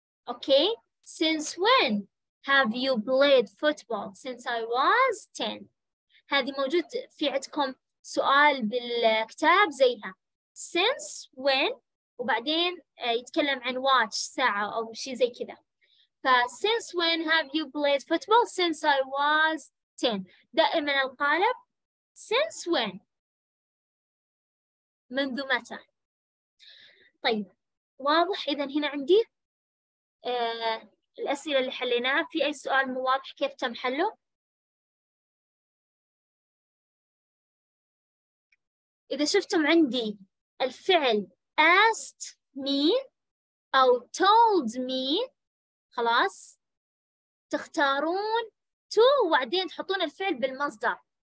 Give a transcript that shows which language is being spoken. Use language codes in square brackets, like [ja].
[en] okay since when have you played football since I was 10. [ar] هذه موجود في عندكم سؤال بالكتاب زيها [en] since when، [ar] وبعدين يتكلم عن watch ساعة أو شيء زي كذا. [en] ف since when have you played football since I was 10. [ar] دائما القالب [en] since when، [ar] منذ متى. طيب واضح؟ إذا هنا عندي الأسئلة اللي حليناها. في أي سؤال مو واضح كيف تم حله؟ إذا شفتم عندي الفعل asked me أو told me، خلاص تختارون to وبعدين تحطون الفعل بالمصدر.